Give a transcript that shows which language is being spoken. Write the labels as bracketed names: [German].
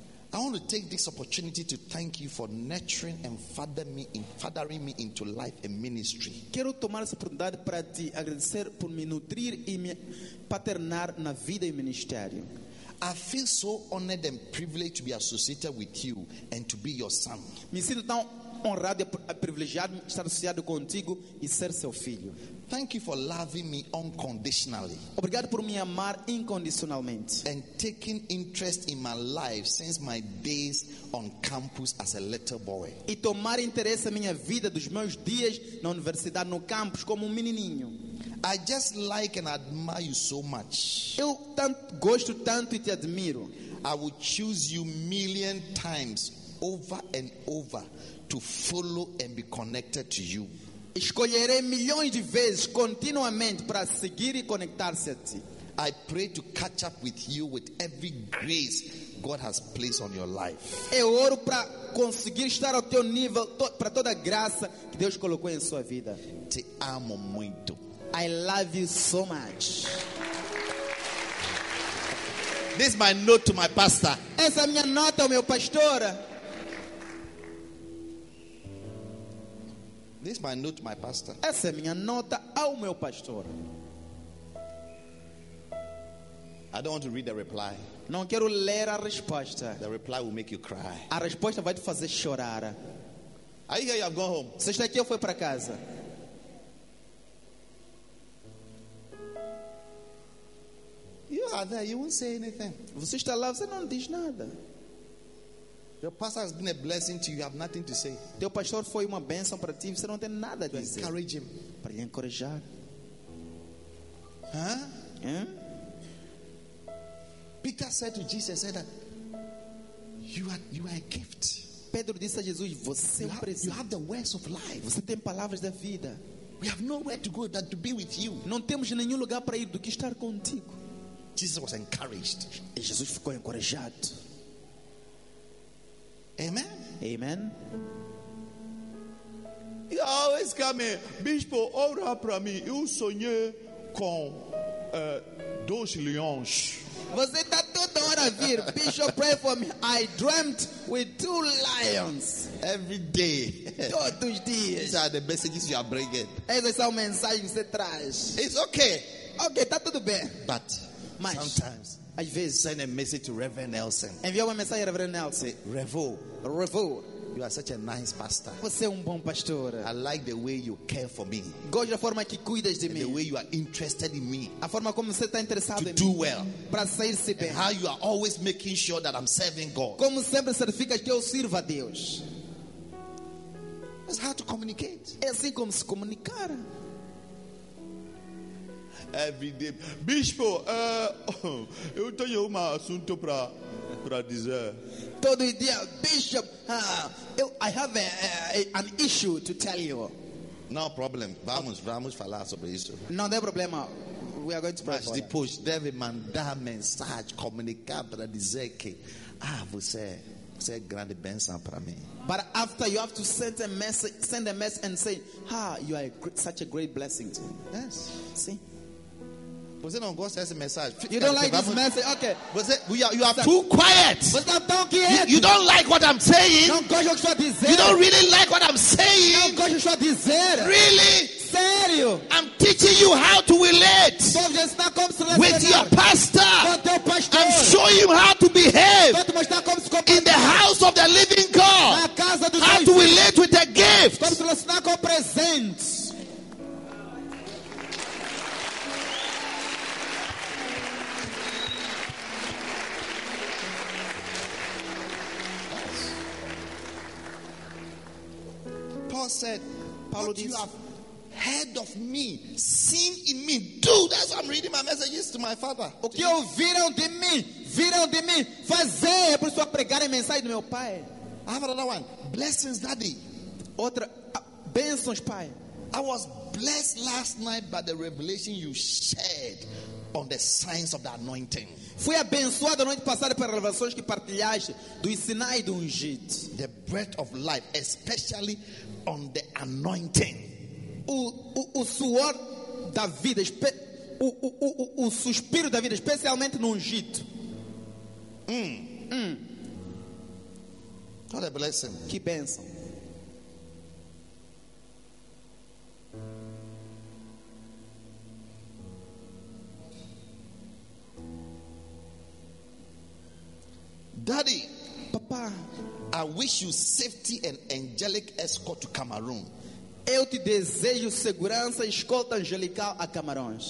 [English] I want to take this opportunity to thank you for nurturing and fathering me into life and ministry. [Portuguese] Quero tomar essa oportunidade para te agradecer por me nutrir e me paternar na vida e ministério. [English] I feel so honored and privileged to be associated with you and to be your son. [Portuguese] Me sinto tão honrado e privilegiado de estar associado contigo e ser seu filho. [English] Thank you for loving me unconditionally. [Portuguese] Obrigado por me amar incondicionalmente. [English] And taking interest in my life since my days on campus as a little boy. [Portuguese] E tomar interesse na minha vida dos meus dias na universidade, no campus, como menininho. [English] I just like and admire you so much. [Portuguese] Eu tanto, gosto tanto e te admiro. [English] I would choose you million times over and over to follow and be connected to you. [Portuguese] Escolherei milhões de vezes continuamente para seguir e conectar-se a ti. [English] I pray to catch up with you with every grace God has placed on your life. [Portuguese] Eu oro para conseguir estar ao teu nível, para toda a graça que Deus colocou em sua vida. Te amo muito. [English] I love you so much. This is my note to my pastor. [Portuguese] Essa é a minha nota ao meu pastor. [English] This is my note to my pastor. [Portuguese] Essa é minha nota ao meu pastor. [English] I don't want to read the reply. [Portuguese] Não quero ler a resposta. [English] The reply will make you cry. [Portuguese] A resposta vai te fazer chorar. [English] Are you here? You have gone home. [Portuguese] Você está aqui ou foi para casa? [English] You are there. You won't say anything. [Portuguese] Você está lá, você não diz nada. [English] Your pastor has been a blessing to you. You have nothing to say. [Portuguese] Teu pastor foi uma bênção para ti. Você não tem nada a dizer. [English] To encourage him. [Portuguese] Para lhe encorajar. [English] Peter said to Jesus, said that you are a gift. [Portuguese] Pedro disse a Jesus, você é um presente. [English] You have the words of life. [Portuguese] Você tem palavras da vida. [English] We have nowhere to go than to be with you. [Portuguese] Não temos nenhum lugar para ir do que estar contigo. [English] Jesus was encouraged. [Portuguese] E Jesus ficou encorajado. [English] Amen. [Portuguese] Amen. [English] You always come here, [Portuguese] Bispo. Ora para mim. Eu sonhei com dois leões. Você tá toda hora vir, [English] Bishop. Pray for me. I dreamt with two lions. Every day. [Portuguese] Todos os dias. [English] These are the messages you are bringing. [Portuguese] Essas são mensagens que você traz. [English] It's okay. [Portuguese] Okay, tá tudo bem. [English] But [Portuguese] mas, [English] sometimes. [Portuguese] Às vezes, [English] send a message to Reverend Nelson. [Portuguese] Envia uma mensagem a Reverend Nelson. [English] Revo. [Portuguese] Revo. [English] You are such a nice pastor. [Portuguese] Você é um bom pastor. [English] I like the way you care for me. [Portuguese] Gosto da forma que cuidas de mim. [English] The way you are interested in me. [Portuguese] A forma como você está interessado em mim. [English] To do well. [Portuguese] Para sair-se bem. [English] And how you are always making sure that I'm serving God. [Portuguese] Como sempre certificas que eu sirvo a Deus. [English] It's hard to communicate. [Portuguese] É assim como se comunicar. [English] Every day. [Portuguese] Bispo, eu tenho um assunto para dizer. Todo dia, [English] Bishop, I have an issue to tell you. No problem. [Portuguese] Vamos falar sobre isso. Não tem problema. [English] We are going to pray. [Portuguese] Mas depois deve mandar mensagem, comunicar para dizer que você é grande bênção para mim. [English] But after you have to send a message and say, you are such a great blessing to me. Yes. [Portuguese] Sim. Você não gosta dessa mensagem. [English] You don't like this message. Okay. Você, you are too quiet. [Portuguese] Você está tão quieto. [English] You don't like what I'm saying. [Portuguese] Não gosto do que estou a dizer. [English] You don't really like what I'm saying. [Portuguese] Não gosto do que estou a dizer. [English] Really? [Portuguese] Sério? [English] I'm teaching you how to relate with your pastor. I'm showing you how to behave in the house of the living God. How to relate with a gift. Said, Paulo [Portuguese] diz, [English] you have heard of me, seen in me, do. That's why I'm reading my messages to my father. [Portuguese] O que ouviram de mim, viram de mim, fazer. É por isso que eu pregar a mensagem do meu pai. [English] I have another one. Blessings, Daddy. [Portuguese] Outra bênçãos, Pai. [English] I was blessed last night by the revelation you shared on the signs of the anointing. [Portuguese] Fui abençoado a noite passada pelas revelações que partilhaste dos sinais do ungido. [English] The breath of life, especially on the anointing. [Portuguese] O suor da vida, o suspiro da vida, especialmente no ungido. [English] What a blessing. [Portuguese] Que bênção. [English] Daddy, [Portuguese] papá, [English] I wish you safety and angelic escort to Cameroon. [Portuguese] Eu te desejo segurança e escolta angelical a Camarões.